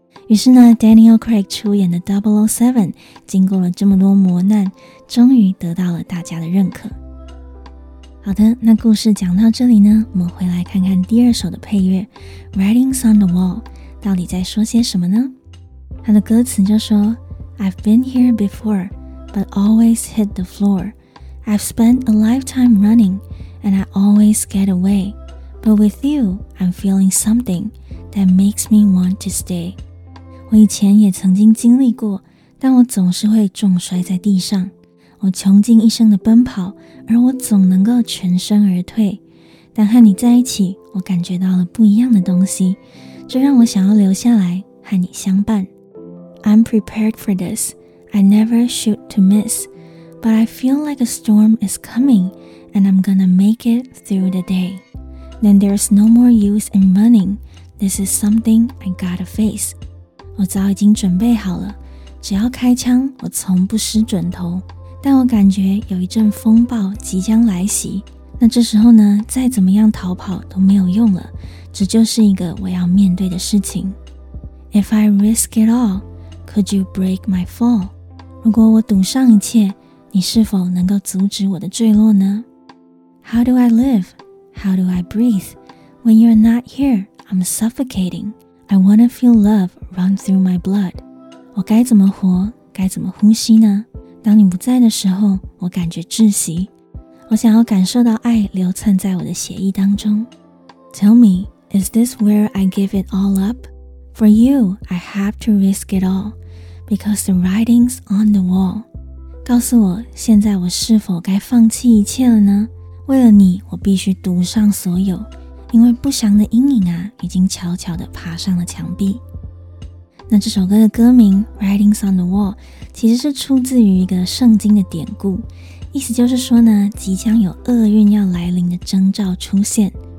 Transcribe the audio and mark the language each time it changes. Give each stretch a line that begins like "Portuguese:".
Chinese: 于是呢 Daniel Craig 出演的 007 经过了这么多磨难，终于得到了大家的认可。好的，那故事讲到这里呢，我们回来看看第二首的配乐 Writings on the Wall 到底在说些什么呢。
English: 他的歌词就说， I've been here before, but always hit the floor. I've spent a lifetime running, and I always get away. But with you, I'm feeling something that makes me want to stay.
Chinese: 我以前也曾经经历过，但我总是会重摔在地上。我穷尽一生的奔跑，而我总能够全身而退。但和你在一起，我感觉到了不一样的东西，这让我想要留下来和你相伴。
English: I'm prepared for this. I never shoot to miss. But I feel like a storm is coming, and I'm gonna make it through the day. Then there's no more use in running. This is something I gotta face.
Chinese: 我早已经准备好了，只要开枪，我从不失准头。但我感觉有一阵风暴即将来袭，那这时候呢，再怎么样逃跑都没有用了，这就是一个我要面对的事情。
English: If I risk it all, could you break my fall?
Chinese: 如果我赌上一切，你是否能够阻止我的坠落呢？
English: How do I live? How do I breathe? When you're not here, I'm suffocating. I wanna feel love run through my blood.
Chinese: 我该怎么活，该怎么呼吸呢？当你不在的时候，我感觉窒息。我想要感受到爱流窜在我的血液当中。
English: Tell me, is this where I give it all up? For you, I have to risk it all, because the writing's on the wall.
Chinese: 告诉我，现在我是否该放弃一切了呢？为了你，我必须赌上所有，因为不祥的阴影啊，已经悄悄地爬上了墙壁。那这首歌的歌名 Writings on the Wall 其实是出自于一个圣经的典故，意思就是说呢，即将有厄运要来临的征兆出现。